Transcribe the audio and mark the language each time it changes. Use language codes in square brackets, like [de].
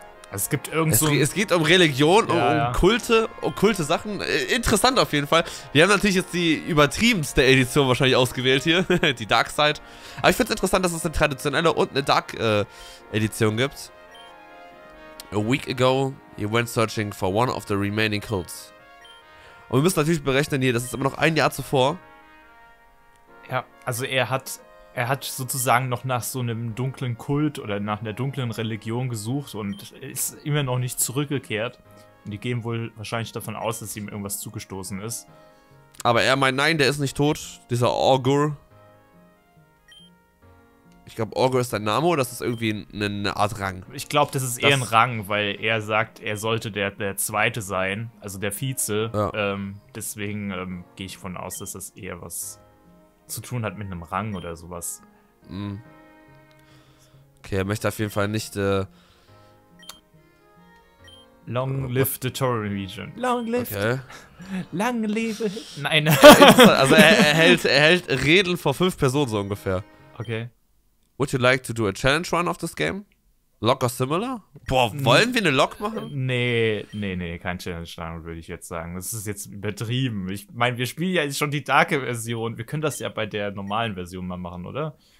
[de] Also es gibt irgend so. Es geht um Religion, ja, um okkulte Sachen. Interessant auf jeden Fall. Wir haben natürlich jetzt die übertriebenste Edition wahrscheinlich ausgewählt hier, die Dark Side. Aber ich finde es interessant, dass es eine traditionelle und eine Dark Edition gibt. [en] A week ago, you went searching for one of the remaining cults. [de] Und wir müssen natürlich berechnen hier, das ist immer noch ein Jahr zuvor. Ja, also er hat sozusagen noch nach so einem dunklen Kult oder nach einer dunklen Religion gesucht und ist immer noch nicht zurückgekehrt. Und die gehen wohl wahrscheinlich davon aus, dass ihm irgendwas zugestoßen ist. Aber er meint, nein, der ist nicht tot, dieser Augur. Ich glaube, Augur ist sein Name oder ist das irgendwie eine Art Rang? Ich glaube, das ist eher ein Rang, weil er sagt, er sollte der Zweite sein, also der Vize. Ja. Deswegen gehe ich davon aus, dass das eher was zu tun hat mit einem Rang oder sowas. Okay, er möchte auf jeden Fall nicht. [en] Long live the Torrent Region. Long live. [de] Okay. Lang lebe. Nein. Also er hält Reden vor 5 Personen so ungefähr. Okay. [en] Would you like to do a challenge run of this game? Lock or similar? [de] Boah, wollen wir eine Lock machen? Nee, kein Challenge-Run, würde ich jetzt sagen. Das ist jetzt übertrieben. Ich meine, wir spielen ja schon die Dark-Version. Wir können das ja bei der normalen Version mal machen, oder?